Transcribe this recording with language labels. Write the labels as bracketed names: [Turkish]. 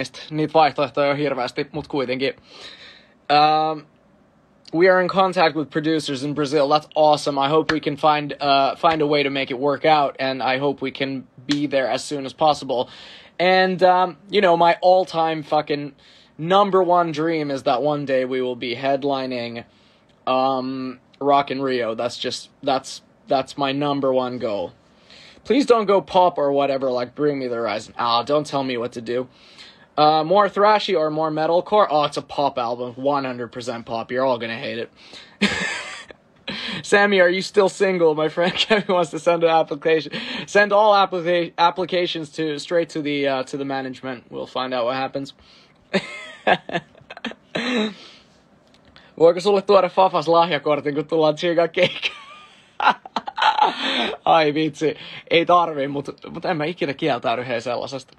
[Finnish] Niitä vaihtoehtoja on hirveästi, mut kuitenkin. [English] We are in contact with producers in Brazil. That's awesome. I hope we can find a way to make it work out, and I hope we can be there as soon as possible. And you know, my all-time fucking number one dream is that one day we will be headlining Rock in Rio. That's my number one goal. Please don't go pop or whatever, like Bring Me the Horizon. Ah, don't tell me what to do. More thrashy or more metalcore? Oh, it's a pop album. 100% pop. You're all gonna hate it. Sammy, are you still single? My friend Kevin wants to send an application. Send all applications to straight to the management. We'll find out what happens. [Finnish] Voiko sulle tuoda Fafas lahjakortin, kun tullaan tsiiga keikkaan? Ai vitsi, ei tarvi, mutta en mä ikinä kieltäydy hei sellaisesta.